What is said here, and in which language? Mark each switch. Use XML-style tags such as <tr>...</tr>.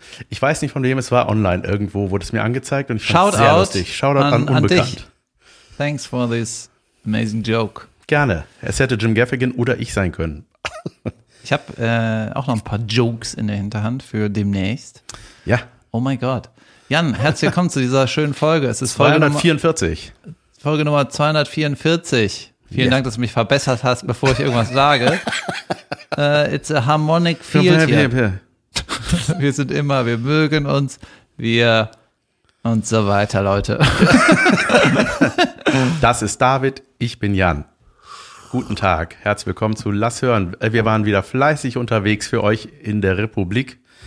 <de>Ich weiß nicht, von wem es war. Online irgendwo wurde es mir angezeigt. Und ich fand es sehr lustig. Shoutout an Unbekannt. Dich.</de> <en>Thanks for this amazing joke.</en> <de>Gerne. Es hätte Jim Gaffigan oder ich sein können. Ich habe auch noch ein paar Jokes in der Hinterhand für demnächst. Ja. Oh mein Gott. Jan, herzlich willkommen zu dieser schönen Folge. Es ist Folge 244. Folge Nummer 244. Vielen Dank, dass du mich verbessert hast, bevor ich irgendwas sage.</de> <en>It's a harmonic field here.</en> <de>Wir sind immer, wir mögen uns, wir und so weiter, Leute. Das ist David, ich bin Jan. Guten Tag, herzlich willkommen zu Lass hören. Wir waren wieder fleißig unterwegs für euch in der Republik.</de>